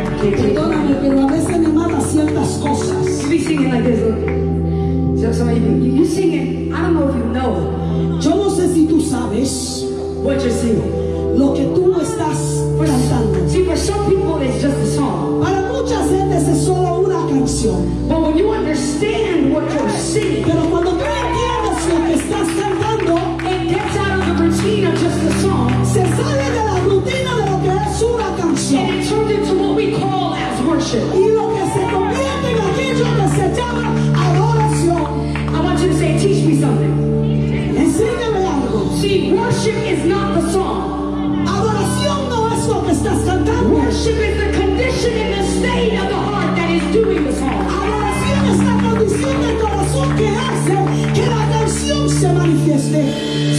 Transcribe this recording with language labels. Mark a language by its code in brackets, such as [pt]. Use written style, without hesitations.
[es] Perdóname, pero a veces me mata ciertas cosas. [en] Be singing like this. So, you sing it. I don't know if you know. [es] Yo no sé si tú sabes. [en] What you're singing. [es] Lo que tú estás cantando. [en] See, for some people it's just a song. [es] Para muchas veces es solo una canción. [en] But when you understand what you're singing. [es] Pero cuando tú entiendes lo que estás cantando. [en] It gets out of the routine of just a song. [es] Se sale de la rutina de lo que es una canción. [en] And it turns into what we call as worship. [es] Y lo que se convierte en aquello que se llama adoración. [en] I want you to say, teach me something. [es] Enséñame algo. [en] See, worship is not the song. Worship is the condition and the state of the heart that is doing the song. [es] Adoración es la condición del corazón que hace que la canción se manifieste.